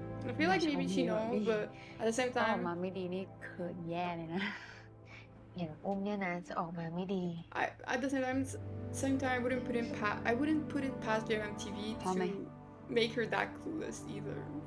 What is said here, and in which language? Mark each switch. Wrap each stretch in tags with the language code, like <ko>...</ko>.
<en>I feel like maybe she knows, but at the same time,</en> <th>ออกมาไม่ดีนี่เคยแย่เลยนะ อย่างOm เนี่ยนะจะออกมาไม่ดี</th> <en>At the same time, I wouldn't put it past JMTV to make her that clueless either.</en>